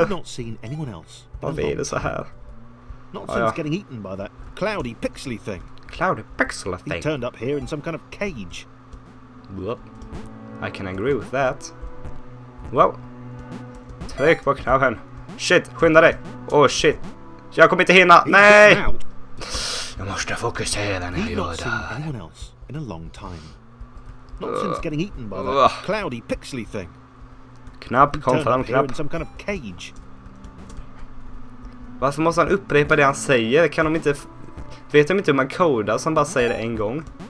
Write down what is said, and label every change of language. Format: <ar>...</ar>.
<en>He'd not seen anyone else.</en> <sv>Vad är det så här?</sv> <en>Not since getting eaten by that cloudy pixely thing. Cloudy pixel thing. He turned up here in some kind of cage. Well, I can agree with that.</en> <sv>Well, tryck på knappen. Shit, skynda dig.</sv> <en>Oh shit,</en> <sv>jag kommer inte hinna. Nej. Jag måste fokusera när jag gör det.</sv> <en>He'd not seen anyone else in a long time. Not since getting eaten by that cloudy pixely thing.</en> <sv>Knapp, kom fram, knapp.</sv> <en>In some kind of cage.</en> <sv>Varför måste han upprepa det han säger? Kan de inte... Vet de inte hur man kodar som bara säger det en gång?</sv>